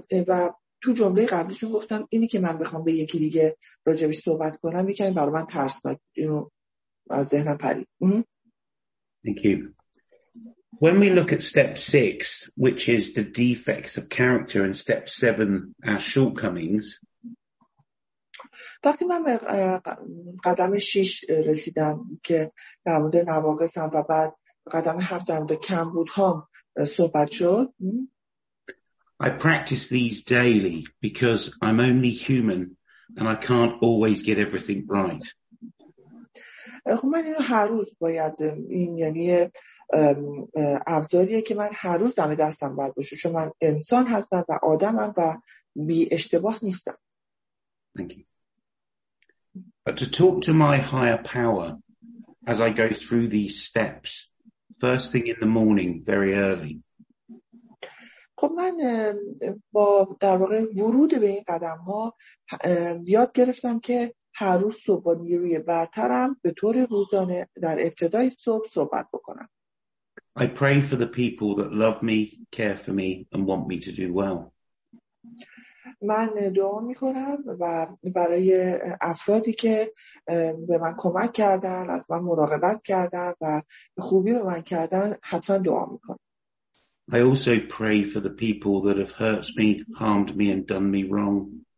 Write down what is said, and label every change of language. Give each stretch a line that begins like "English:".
Persian: و تو جمله قبلیشون گفتم اینی که من بخوام به یکی دیگه راجبش صحبت کنم یکی برای من ترسناک، اینو از ذهنم پرید.
English: Thank you. When we look at step 6, which is the defects of character, and step 7, our shortcomings,
Persian: وقتی من به قدم 6 رسیدم که در مورد نواقصم و بعد قدم 7 در مورد کمبودهام صحبت شد.
English: I practice these daily because I'm only human and I can't always get everything right.
Persian: خب من اینو هر روز باید، این یعنی ابزاریه که من هر روز دم دستم باید باشه، چون من انسان هستم و آدمم و بی اشتباه نیستم.
English: Thank you. But to talk to my higher power as I go through these steps, first thing in the morning, very early.
Persian: خب من با در واقع ورود به این قدم ها یاد گرفتم که هر روز صبح با نیروی برترم به طور روزانه در ابتدای صبح صحبت بکنم.
English: I pray for the people that love me, care for me, and want me to do well.
Persian: من دعا میکنم و برای افرادی که به من کمک کردن، از من مراقبت کردن و خوبی به من کردن حتما دعا میکنم.
English: I also pray for the people that have hurt me, harmed me and done me wrong.